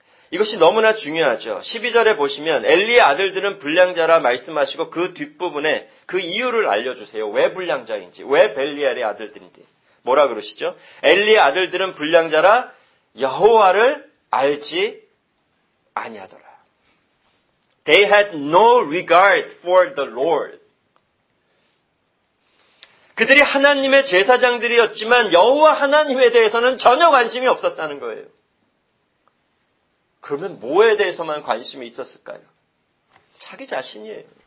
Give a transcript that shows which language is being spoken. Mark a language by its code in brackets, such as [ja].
[ko] 이것이 너무나 중요하죠. 12절에 보시면 엘리의 아들들은 불량자라 말씀하시고 그 뒷부분에 그 이유를 알려주세요. 왜 불량자인지, 왜 벨리엘의 아들들인지. 뭐라 그러시죠? 엘리의 아들들은 불량자라 여호와를 알지 아니하더라. [en] They had no regard for the Lord. [ko] 그들이 하나님의 제사장들이었지만 여호와 하나님에 대해서는 전혀 관심이 없었다는 거예요. 그러면 뭐에 대해서만 관심이 있었을까요? 자기 자신이에요.